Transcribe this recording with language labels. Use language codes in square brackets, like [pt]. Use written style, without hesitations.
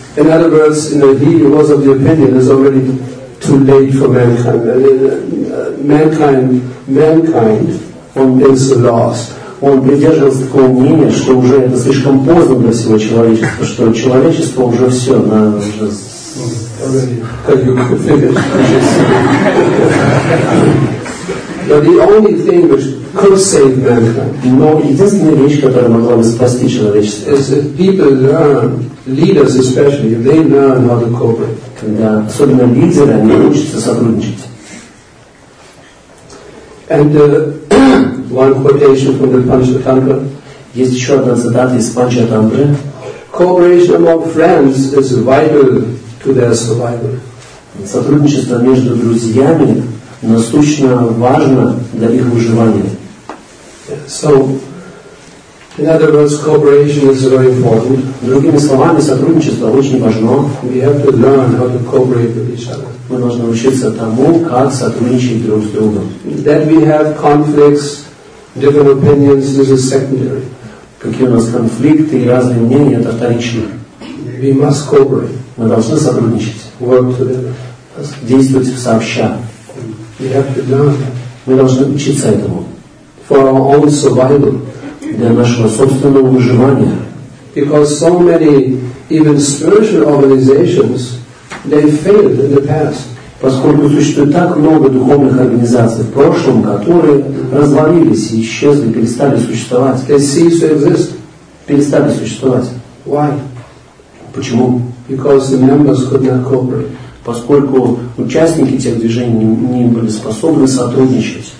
[en] In other words, he was of the opinion it's already too late for mankind. Mankind is lost. [ru] Он придерживался такого мнения, что уже это слишком поздно для всего человечества, что человечество уже все, на уже... Как вы говорите? [en] But the only thing which could save mankind, [ru] но единственная вещь, которая могла бы спасти человечество, [en] is if people learn, leaders especially, if they learn how to cooperate. [ru] Когда особенно лидеры, они учатся сотрудничать. [en] And one quotation from the Panchatantra. [ru] Есть еще одна цитата из Панчатантры. [en] Cooperation among friends is vital to their survival. [ru] Сотрудничество между друзьями насущно важно для их выживания. [en] So, in other words, cooperation is very important. [ru] Другими словами, сотрудничество очень важно. [en] We have to learn how to cooperate with each other. [ru] Мы должны учиться тому, как сотрудничать друг с другом. [en] That we have conflicts, different opinions, this is secondary. [ru] Какие у нас конфликты и разные мнения, это вторичные. [en] We must cooperate. [ru] Мы должны сотрудничать. [en] Work together. [ru] Действовать сообща. [en] We have to learn. [ru] Мы должны учиться этому. [en] For our own survival. [ru] Для нашего собственного выживания. [en] Because so many even spiritual organizations they failed in the past. [ru] Поскольку существует так много духовных организаций в прошлом, которые развалились и исчезли, перестали существовать. [en] They cease to exist. [ru] Перестали существовать. [en] Why? [ru] Почему? [en] Because the members could not cooperate. [ru] Поскольку участники тех движений не были способны сотрудничать.